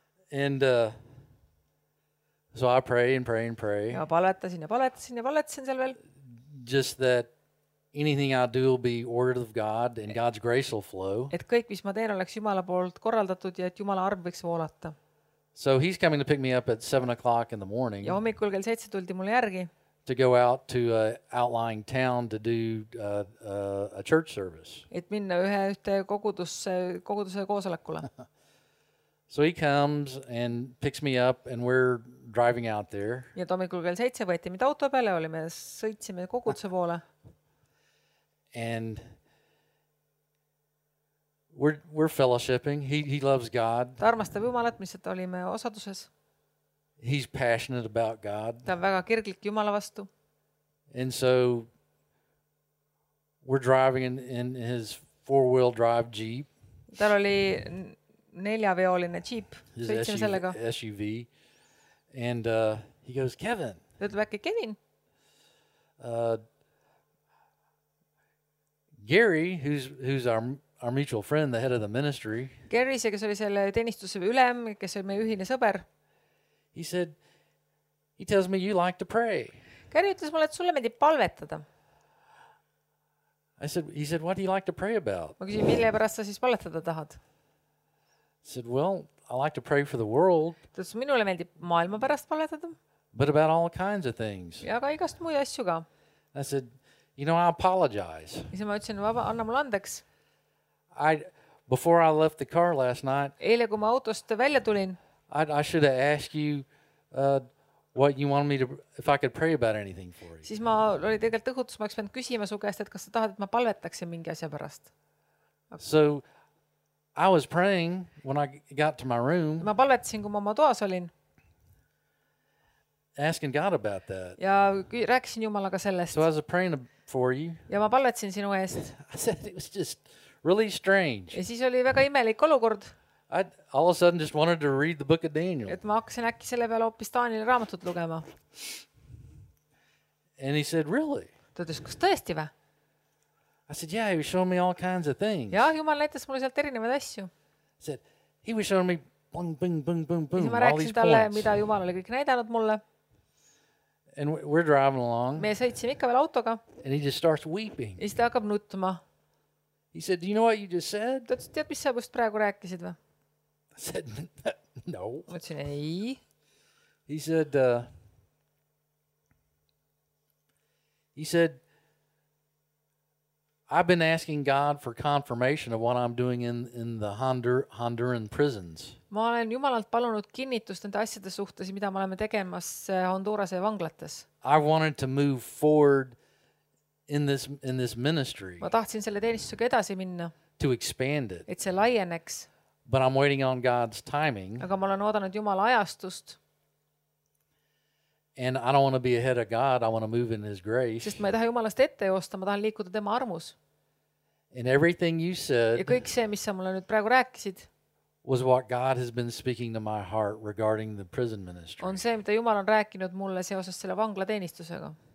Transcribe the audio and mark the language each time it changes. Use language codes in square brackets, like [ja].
[en] And so I pray and pray and pray. [et] Ja palvetasin ja palvetasin ja palvetasin seal veel. [en] Just that anything I do will be ordered of God and God's grace will flow. [et] Et kõik, mis ma teen, oleks Jumala poolt korraldatud ja et Jumala arm võiks voolata. [en] So he's coming to pick me up at 7:00 in the morning. [et] Ja hommikul kell 7 tuldi mul järgi. [en] To go out to a outlying town to do a church service. [et] Et minna ühte koguduse koosolekule. [en] So he comes and picks me up and we're driving out there. [et] Ja hommikul kell 7 võeti mind auto peale, olime sõitsime koguduse poole. [en] And we're fellowshipping. He loves God. [et] Ta armastab Jumalat, mis et olime osaduses. [en] He's passionate about God. [et] Ta on väga kirglik Jumala vastu. [en] And so we're driving in his four-wheel drive Jeep. [et] Tal oli neljaveoline Jeep. Sõitsime sellega. [en] SUV. And he goes, Kevin. [et] Ta ütleb äkki Kevin. [en] Gary, who's our mutual friend, the head of the ministry. [et] Gary, see, kes oli selle teenistuse ülem, kes oli meie ühine sõber. [en] He said, he tells me you like to pray. [et] Gary ütles mulle, et sulle meeldib palvetada. [en] He said, what do you like to pray about? [et] Ma küsin, mille pärast sa siis palvetada tahad? [en] He said, well, I like to pray for the world. [et] Ta ütles, minule meeldib maailma pärast palvetada. [en] But about all kinds of things. [et] Ja ka igast muid asju ka. [en] I said, you know, I apologize. [et] Ja siis ma ütlesin, anna mul andeks. [en] Before I left the car last night. [et] Eile, kui ma autost välja tulin. [en] I should have asked you what you want me to, if I could pray about anything for you. [et] Siis ma oli tegelikult õhutus, ma oleks pead küsima su käest, et kas sa tahad, et ma palvetaksin mingi asja pärast. [en] So I was praying when I got to my room. [et] Ma palvetasin, kui ma oma toas olin. [en] Asking God about that. [et] Ja rääkisin Jumalaga sellest. [en] So I was praying for you. [et] Ja ma palvetasin sinu eest. [en] I said it was just really strange. [et] Ja siis oli väga imelik olukord. [en] I all of a sudden just wanted to read the book of Daniel. [et] Et ma hakkasin äkki selle peale hoopis Danieli raamatut lugema. [en] And he said, really? [et] Ta ütles, kas tõesti vä? [en] I said, yeah, he was showing me all kinds of things. [et] Ja Jumal näitas mulle sealt erinevaid asju. [en] He said, he was showing me bing, bing, bing, bing, bing, all these points. [et] Ja siis ma rääksin talle, mida Jumal oli kõik näidanud mulle. [en] And we're driving along. [et] Me sõitsime ikka veel autoga. [en] And he just starts weeping. [et] Ja siis ta hakkab nutma. [en] He said, do you know what you just said? [et] Ta ütles, tead, mis sa just praegu rääkisid vä? [en] I said, no. [et] Ma ütlesin, ei. [en] He said, I've been asking God for confirmation of what I'm doing in the Honduran prisons. [et] Ma olen Jumalalt palunud kinnitust nende asjade suhtes, mida me oleme tegemas Hondurase vanglates. [en] I wanted to move forward in this ministry. [et] Ma tahtsin selle teenistusega edasi minna. [en] To expand it. [et] Et see laieneks. [en] But I'm waiting on God's timing. [et] Aga ma olen oodanud Jumala ajastust. [en] And I don't want to be ahead of God, I want to move in his grace. [et] Sest ma ei taha Jumalast ette joosta, ma tahan liikuda tema armus. [en] And everything you said. [et] Ja kõik see, mis sa mulle nüüd praegu rääkisid. [en] Was what God has been speaking to my heart regarding the prison ministry. [et] On see, mida Jumal on rääkinud mulle seoses selle vangla teenistusega.